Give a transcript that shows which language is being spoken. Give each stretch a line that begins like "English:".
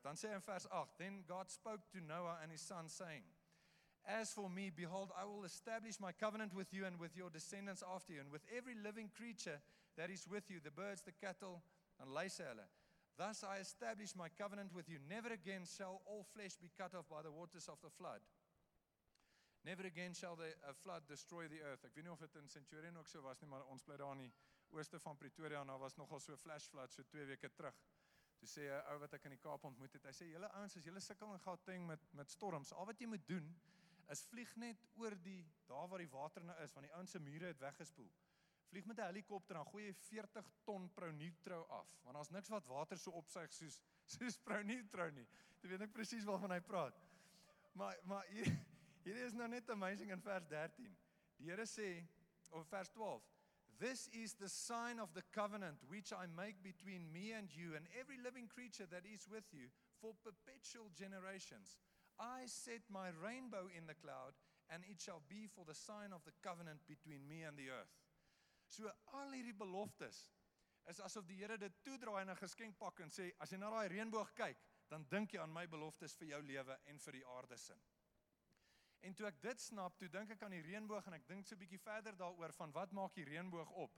Afrikaans: Dan sê hy in vers 8,
English: Then God spoke to Noah and his son, saying, As for me, behold, I will establish my covenant with you and with your descendants after you, and with every living creature that is with you, the birds, the cattle, and lei sê hulle. Thus I establish my covenant with you. Never again shall all flesh be cut off by the waters of the flood. Never again shall a flood destroy the earth.
Afrikaans: Ek weet nie of dit in Centurion ook so was nie, maar ons bly daar in die ooste van Pretoria, en daar was nogal so 'n flash flood so 2 weke terug. Toe sê 'n ou wat ek in die Kaap ontmoet het, hy sê, julle ouens, as julle sukkel in Gauteng met storms, al wat jy moet doen, is vlieg net oor die, daar waar die water nou is, want die ouens se mure het weggespoel. Vlieg met 'n helikopter, dan gooi jy 40 ton Pro-Neutro af, want daar is niks wat water so opsuig soos Pro-Neutro nie. Toe weet ek precies waarvan hy praat. Maar hier is nou net amazing in vers 13. Die Here sê, of vers 12,
English: This is the sign of the covenant which I make between me and you and every living creature that is with you for perpetual generations. I set my rainbow in the cloud and it shall be for the sign of the covenant between me and the earth.
Afrikaans: So al hierdie beloftes is asof die Here dit toedraai in 'n geskenkpak en sê, as jy na daai reënboog kyk, dan dink jy aan my beloftes vir jou lewe en vir die aarde sin. En toe ek dit snap, toe dink ek aan die reënboog en ek dink so 'n bietjie verder daaroor van wat maak die reënboog op.